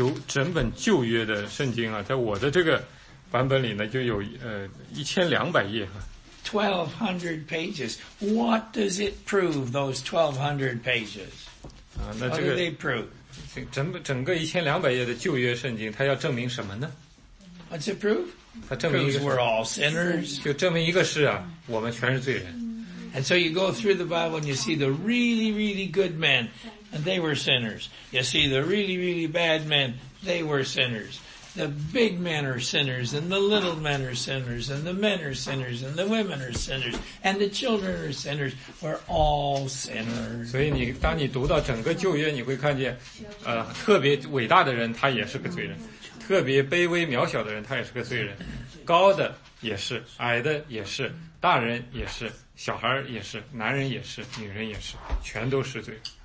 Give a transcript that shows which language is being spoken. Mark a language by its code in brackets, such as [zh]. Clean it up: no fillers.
[zh] 整本旧约的圣经啊，在我的这个版本里呢，就有1,200 页啊。 [en] 1,200 pages. What does it prove, those 1,200 pages? How do they prove? [zh] 整个1,200页的旧约圣经，它要证明什么呢？ [en] What's it prove? [zh] 它证明一个 [en] Proves we're all sinners. [zh] 就证明一个是啊，我们全是罪人。 [en] And so you go through the Bible and you see the really, really good men, and they were sinners. You see the really, really bad men, they were sinners. The big men are sinners, and the little men are sinners, and the men are sinners, and the women are sinners, and the children are sinners. We're all sinners. [zh] 所以你当你读到整个旧约，你会看见，特别伟大的人他也是个罪人，特别卑微渺小的人他也是个罪人，高的也是，矮的也是，大人也是，小孩也是，男人也是，女人也是，全都是罪人。